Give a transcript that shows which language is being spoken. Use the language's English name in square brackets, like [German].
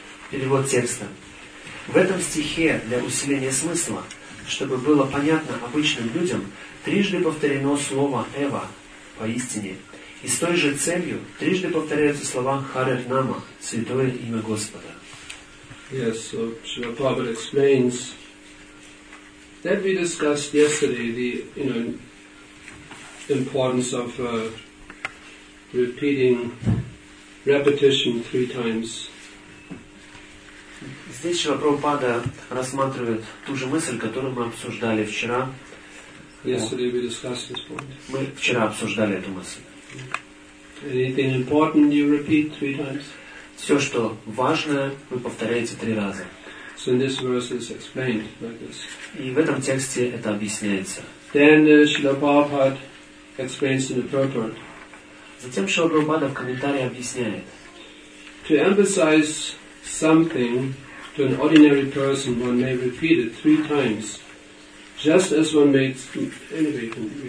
[Russian] Перевод текста. В этом стихе для усиления смысла, чтобы было понятно обычным людям, трижды повторено слово «Эва» поистине, и с той же целью трижды повторяются слова «Харе Нама» — «Святое имя Господа». [English] Yes, so Srila Prabhupada explains that we discussed yesterday the importance of repeating repetition three times. [Russian] Здесь Шрила Прабхупада рассматривает ту же мысль, которую мы обсуждали вчера. [English] Yesterday we discussed this point. [Russian] Мы вчера обсуждали эту мысль. [English] Anything important you repeat three times? [Russian] Все, что важное, вы повторяете три раза. [English] So in this verse is explained like this. [Russian] И в этом тексте это объясняется. [English] Then Шрила Прабхупада explains in the purport. [Russian] Затем Шрила Прабхупада в комментарии объясняет. [English] To emphasize something to an ordinary person, one may repeat it three times, just as one makes anyway.